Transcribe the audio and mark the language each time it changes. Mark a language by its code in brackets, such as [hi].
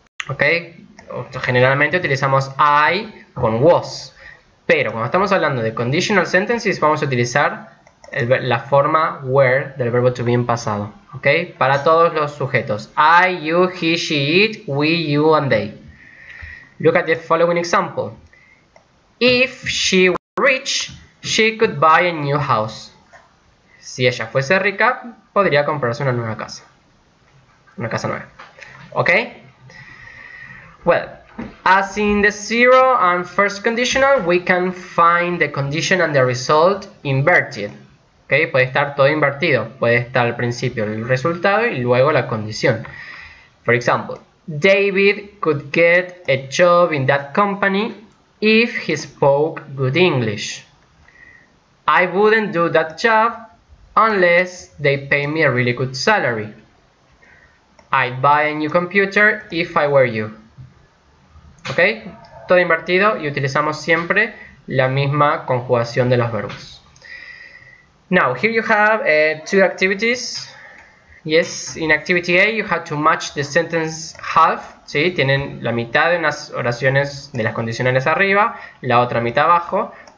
[es] Okay, generalmente utilizamos I con was, pero cuando estamos hablando de conditional sentences vamos a utilizar la forma were del verbo to be en pasado. Okay, para todos los sujetos: I, you, he, she, it, we, you, and they. [en] Look at the following example. If she were rich, she could buy a new house. [es] Si ella fuese rica, podría comprarse una nueva casa. Una casa nueva. Okay? [en] Well, as in the zero and first conditional, we can find the condition and the result inverted. [es] Okay? Puede estar todo invertido. Puede estar al principio el resultado y luego la condición. [en] For example, David could get a job in that company if he spoke good English. I wouldn't do that job unless they pay me a really good salary. I'd buy a new computer if I were you. ¿Ok? [es] Todo invertido y utilizamos siempre la misma conjugación de los verbos. [en] Now, here you have two activities. Yes, in activity A you have to match the sentence half. ¿Sí? [es] Tienen la mitad de unas oraciones de las condicionales arriba, la otra mitad abajo.